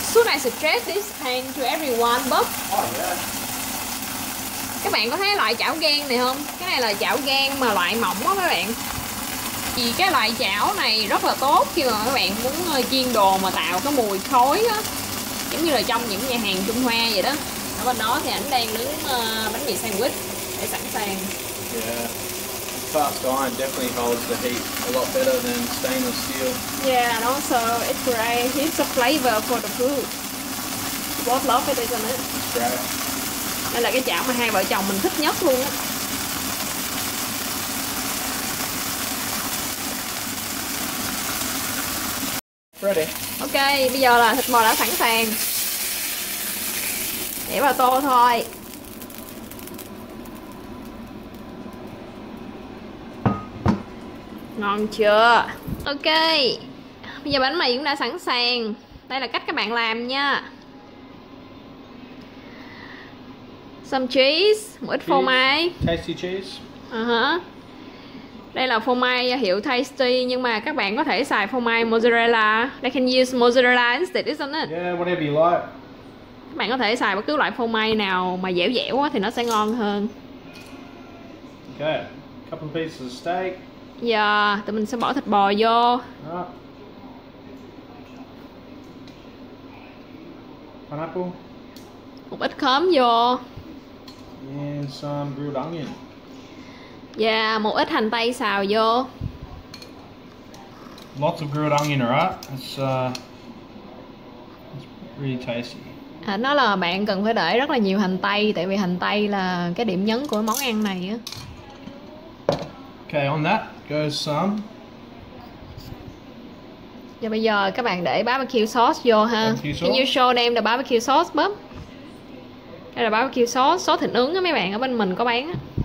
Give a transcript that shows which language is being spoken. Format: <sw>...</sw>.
<en>I suggest this hand to everyone, but</en> <vi>các bạn có thấy loại chảo gang này không? Cái này là chảo gang mà loại mỏng đó các bạn. Vì cái loại chảo này rất là tốt khi mà các bạn muốn chiên đồ mà tạo cái mùi khói á, giống như là trong những nhà hàng Trung Hoa vậy đó. Ở bên đó thì ảnh đang nướng bánh mì sandwich để sẵn sàng.</vi> <en>Yeah, cast iron definitely holds the heat a lot better than stainless steel. Yeah, and also it creates heaps of flavor for the food.</en> <vi>Bóp lóp cái tên ấy. Đây là cái chảo mà hai vợ chồng mình thích nhất luôn á.</vi> <en>Ready.</en> <vi>Ok, bây giờ là thịt bò đã sẵn sàng. Để vào tô thôi. Ngon chưa? Ok. Bây giờ bánh mì cũng đã sẵn sàng. Đây là cách các bạn làm nha.</vi> <en>Some cheese,</en> <vi>một ít phô mai.</vi> <en>Tasty cheese.</en> <vi>Đây là phô mai hiệu Tasty, nhưng mà các bạn có thể xài phô mai mozzarella.</vi> <en>They can use mozzarella instead, isn't it? Yeah, whatever you like.</en> <vi>Các bạn có thể xài bất cứ loại phô mai nào mà dẻo dẻo thì nó sẽ ngon hơn.</vi> <en>Okay, couple of pieces of steak.</en> <vi>Yeah, tụi mình sẽ bỏ thịt bò vô.</vi> <en>Pineapple.</en> <vi>Một ít khóm vô.</vi> <en>And some grilled onion.</en> <vi>Yeah, một ít hành tây xào vô.</vi> <en>Lots of grilled onion, right? It's really tasty.</en> <vi>À, nó là bạn cần phải để rất là nhiều hành tây, tại vì hành tây là cái điểm nhấn của món ăn này á.</vi> <en>Okay, on that goes some.</en> <vi>Và bây giờ các bạn để barbecue sauce vô ha.</vi> <en>Can you show them the barbecue sauce, bub?</en> <vi>Đây là barbecue sauce, sauce thịt nướng á mấy bạn, ở bên mình có bán á.</vi>